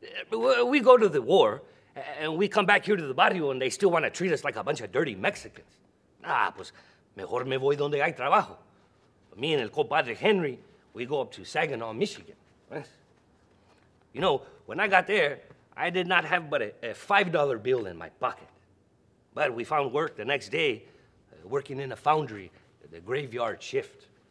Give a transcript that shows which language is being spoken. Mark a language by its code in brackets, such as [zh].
[en] We go to the war, and we come back here to the barrio and they still want to treat us like a bunch of dirty Mexicans. [es] Ah, pues, mejor me voy donde hay trabajo. [en] But me and el compadre Henry, we go up to Saginaw, Michigan. You know, when I got there, I did not have but a $5 bill in my pocket. But we found work the next day, working in a foundry, the graveyard shift.